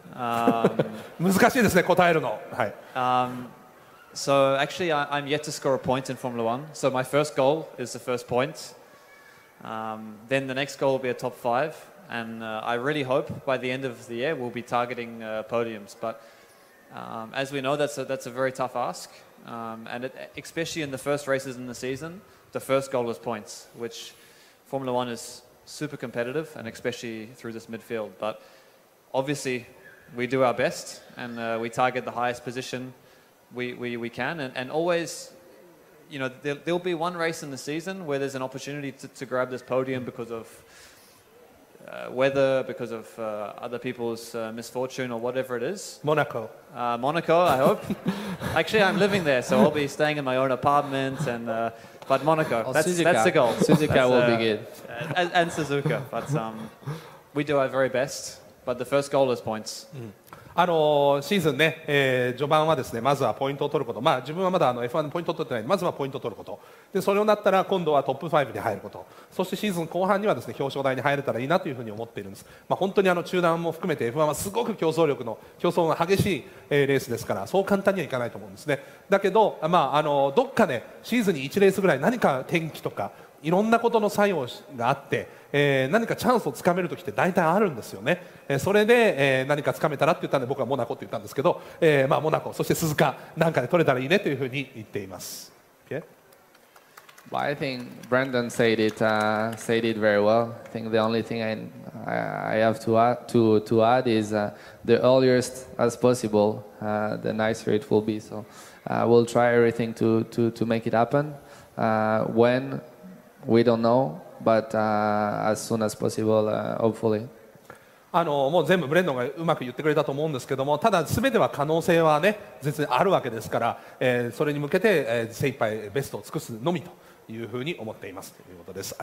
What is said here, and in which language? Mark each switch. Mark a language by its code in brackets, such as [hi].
[ja] 難しいですね、答えるの。はい。 [en] So actually, I'm yet to score a point in Formula One. So my first goal is the first point. Then the next goal will be a top five. And I really hope by the end of the year we'll be targeting podiums. But as we know, that's a very tough ask. And it, especially in the first races in the season, the first goal was points, which Formula One is... super competitive and especially through this midfield, but obviously we do our best and we target the highest position we can and always, you know, there'll be one race in the season where there's an opportunity to grab this podium because of weather, because of other people's misfortune or whatever it is. Monaco, I hope. Actually, I'm living there, so I'll be staying in my own apartment andBut Monaco, that's the goal. Suzuka will be good. And Suzuka, but we do our very best. But the first goal is points.、 [ja] うん、あのシーズンね、序盤はですね、まずはポイントを取ること。まあ自分はまだあの F1 のポイントを取ってないので、まずはポイントを取ること。で、それをなったら今度はトップ5に入ること。そしてシーズン後半にはですね、表彰台に入れたらいいなというふうに思っているんです。まあ本当にあの中段も含めて F1 はすごく競争が激しい、レースですから、そう簡単にはいかないと思うんですね。だけど、まあ、あのどっかね、シーズンに1レースぐらい何か天気とか、いろんなことの作用があって、何かチャンスをつかめるときって大体あるんですよね、それで、何かつかめたらって言ったんで僕はモナコって言ったんですけど、まあ、モナコそして鈴鹿なんかで取れたらいいねというふうに言っています。 [en] OK? Well, I think Brandon said it very well. I think the only thing I have to add is the earliest as possible, the nicer it will be. So, we'll try everything to make it happen. WhenWe don't know, but as soon as possible, hopefully. [ja] あのもう全部ブレンドンがうまく言ってくれたと思うんですけども、ただ全ては可能性はね全然あるわけですから、それに向けて、精一杯ベストを尽くすのみというふうに思っていますということです。